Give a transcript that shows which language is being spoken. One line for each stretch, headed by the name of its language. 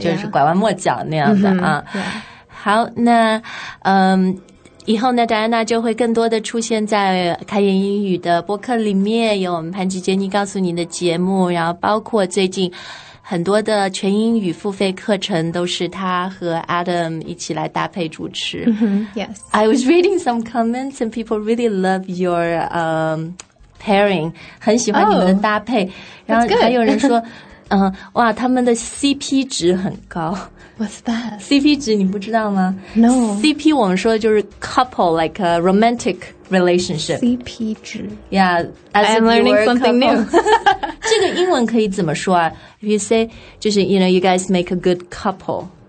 Chinese: 就是拐弯抹角那样的啊。好，那以后呢，戴安娜就会更多的出现在开言英语的播客里面，有我们潘吉杰妮告诉你的节目，然后包括最近很多的全英语付费课程都是他和 Adam 一起来搭配主持。
English: Yes, I was reading some comments and people really love your pairing,
Chinese: 很喜欢你们的搭配。然后还有人说，哇，他们的 CP 值很高。
English: What's that?
Chinese: CP 值你不知道吗
English: ？No. CP
Chinese: 我们说的就是
English: couple, like a romantic relationship.
Chinese: CP 值
English: Yeah, I'm learning something new.
Chinese: 这个英文可以怎么说啊
English: ？If you say,
Chinese: 就是
English: you know, you guys make a good couple.